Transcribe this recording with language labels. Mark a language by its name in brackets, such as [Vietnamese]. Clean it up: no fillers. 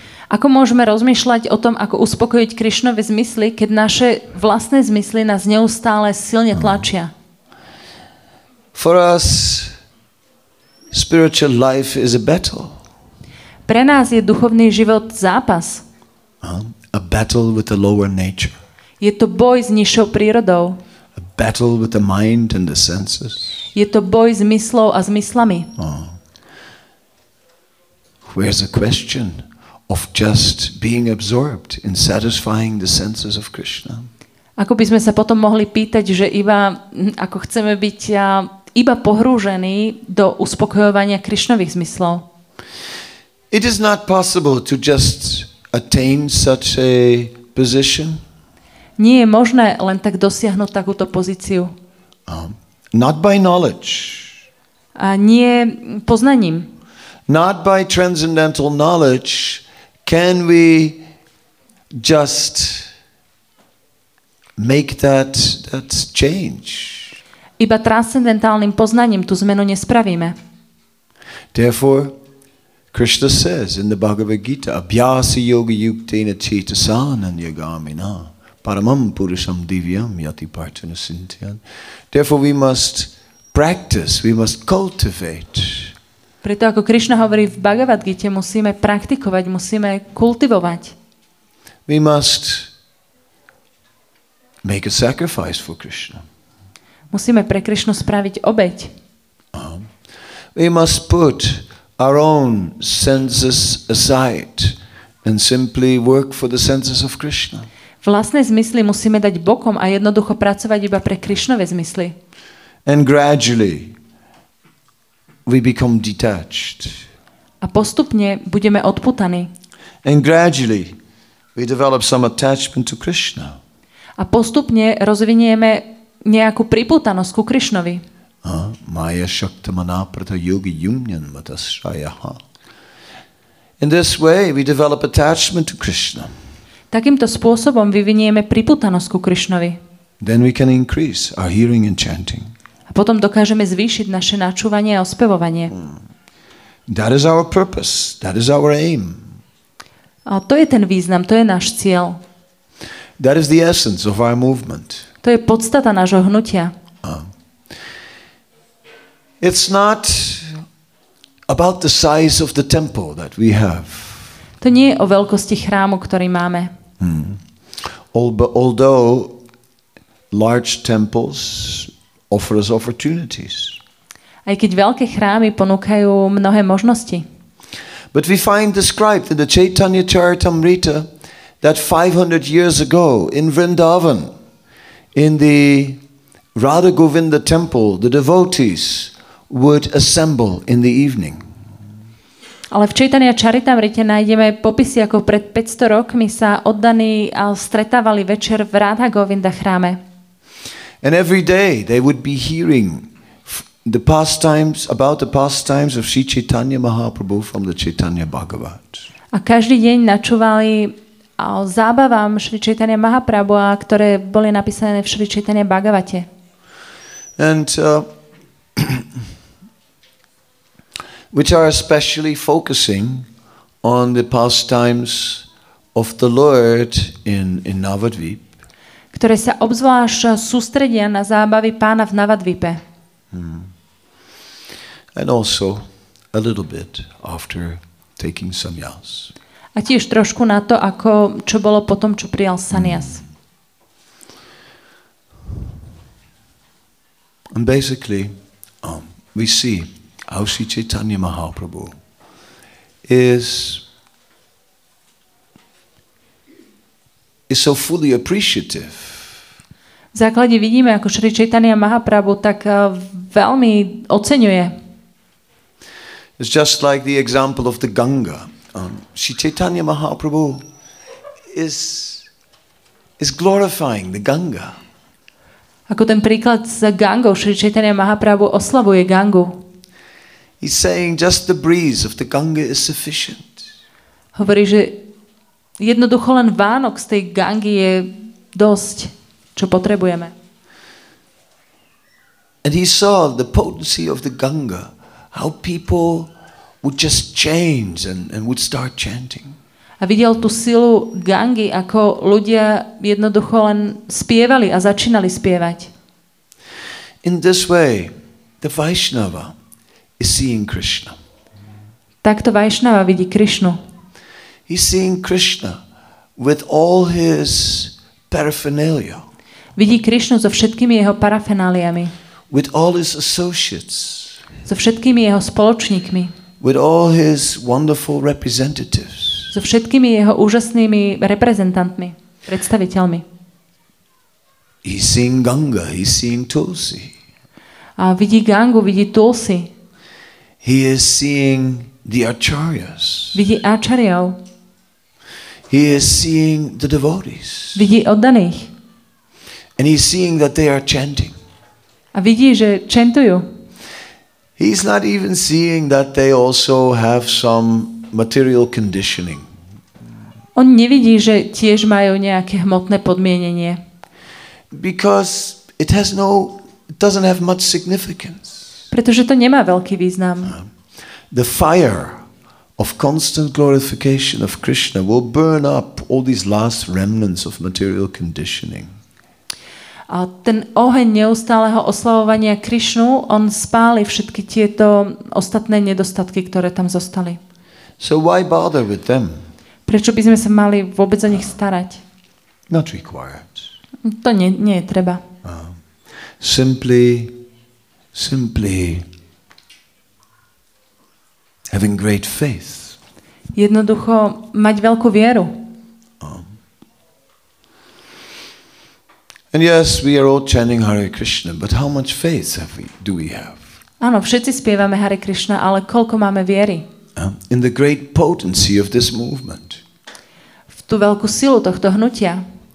[Slovak] Ako môžeme rozmýšľať o tom, ako uspokojiť Krišnove zmysly, keď naše vlastné zmysly nás neustále silne tlačia? [English] For us, spiritual life is a battle. [Slovak] Pre nás je duchovný život zápas. [English] A battle with the lower nature. [Slovak] Je to boj s nižšou prírodou. [English] A battle with the mind and the senses. [Slovak] Je to boj s myslou a zmyslami. [English] Where's the question of just being absorbed in satisfying the senses of Krishna? [Slovak] Ako by sme sa potom mohli pýtať, že iba ako chceme byť iba pohrúžení do uspokojovania Krišnových zmyslov? [English] It is not possible to just attain such a position. [Slovak] Nie je možné len tak dosiahnuť takúto pozíciu. [English] Not by knowledge. [Slovak] A nie poznaním. [English] Not by transcendental knowledge can we just make that change. [Slovak] Iba transcendentálnym poznaním tú zmenu nespravíme. [English] Therefore Krishna says in the Bhagavad Gita, [Sanskrit] Abhyasi yogi yuktena chita sanan yagamina paramam purusham divyam yati partana sintyan. [English] Therefore we must practice, we must cultivate. [Slovak] Preto ako Krishna hovorí v Bhagavad Gita, musíme praktikovať, musíme kultivovať. [English] We must make a sacrifice for Krishna. [Slovak] Musíme pre Krishnu spraviť obeť. [English] We must put our own senses aside and simply work for the senses of Krishna. [Slovak] Vlastné zmysly musíme dať bokom a jednoducho pracovať iba pre Krišnove zmysly. [English] And gradually we become detached. [Slovak] A postupne budeme odputaní. [English] And gradually we develop some attachment to Krishna. [Slovak] A postupne rozvinieme nejakú pripútanosť ku Krišnovi. [Sanskrit] Maya shakta mana prata yogi yumyan matasrayaha. [English] In this way we develop attachment to Krishna. [Slovak] Takýmto spôsobom vyvinieme pripútanosť ku Krišnovi. [English] Then we can increase our hearing and chanting. [Slovak] A potom dokážeme zvýšiť naše načúvanie a ospevovanie. [English] That is our purpose. That is our aim. [Slovak] A to je ten význam, to je náš cieľ. [English] That is the essence of our movement. [Slovak] To je podstata nášho hnutia. [English] It's not about the size of the temple that we have. [Slovak] To nie je o veľkosti chrámu, ktorý máme. [English] Although large temples offer us opportunities. [Slovak] Aj keď veľké chrámy ponúkajú mnohé možnosti. [English] But we find described in the Chaitanya Charitamrita that 500 years ago in Vrindavan, in the Radha Govinda temple, the devotees would assemble in the evening. [Slovak] Ale v Chaitanya Charitamrite nájdeme popisy, ako pred 500 rokmi sa oddaní stretávali večer v Radha Govinda chráme. [English] And every day they would be hearing the pastimes, about the pastimes of Sri Chaitanya Mahaprabhu from the Chaitanya Bhagavat. [Slovak] A každý deň načúvali o zábavám Sri Chaitanya Mahaprabhu, ktoré boli napísané v Sri Chaitanya Bhagavate. [English] Which are especially focusing on the pastimes of the Lord in Navadvip. [Slovak] Ktoré sa obzvlášť sústredia na zábavy pána v Navadvipe. [English] And also a little bit after taking sannyas. [Slovak] A tiež trošku na to, ako čo bolo potom, čo prijal sannyas. [English] And basically, we see how Sri Chaitanya Mahaprabhu is so fully appreciative. [Slovak] V základe vidíme, ako Sri Chaitanya Mahaprabhu tak veľmi oceňuje. [English] It's just like the example of the Ganga. Sri Chaitanya Mahaprabhu is glorifying the Ganga. [Slovak] Ako ten príklad s Gangou, Sri Chaitanya Mahaprabhu oslavuje Gangu. [English] He's saying just the breeze of the Ganga is sufficient. [Slovak] Hovorí, že jednoducho len vánok z tej Gangy je dosť, čo potrebujeme. [English] And he saw the potency of the Ganga, how people would just change and would start chanting. [Slovak] A videl tú silu Gangy, ako ľudia jednoducho len spievali a začínali spievať. [English] In this way, the Vaishnava is seeing Krishna. [Slovak] Takto Vaishnava vidí Krishnu. [English] He's seeing Krishna with all his paraphernalia. [Slovak] Vidí Krishnu so všetkými jeho parafenáliami. [English] With all his associates. [Slovak] So všetkými jeho spoločníkmi. [English] With all his wonderful representatives. [Slovak] So všetkými jeho úžasnými reprezentantmi, predstaviteľmi. [English] He's seeing Ganga, he's seeing Tulsi. [Slovak] A vidí Gangu, vidí Tulsi. [English] He is seeing the acharyas. [Slovak] Vidí acharyov. [English] He is seeing the devotees. [Slovak] Vidí oddaných. [English] And he's seeing that they are chanting. [Slovak] A vidí, že chantujú. [English] He's not even seeing that they also have some material conditioning. [Slovak] On nevidí, že tiež majú nejaké hmotné podmienenie. [English] Because it has no, it doesn't have much significance. [Slovak] Pretože to nemá veľký význam. [English] The fire of constant glorification of Krishna will burn up all these last remnants of material conditioning. [Slovak] A ten oheň neustáleho oslavovania Krishnu, on spáli všetky tieto ostatné nedostatky, ktoré tam zostali. [English] So why bother with them? [Slovak] Prečo by sme sa mali vôbec o nich starať? [English] Not required. [Slovak] To nie je treba. [English] Simply having great faith. [Slovak] Jednoducho mať veľkú vieru. [English] And yes, we are all chanting Hare Krishna, but how much faith have we, do we have? [Slovak] Áno, všetci spievame Hare Krishna, ale koľko máme viery? [English] In the great potency of this movement. [Slovak] V tú veľkú silu tohto hnutia.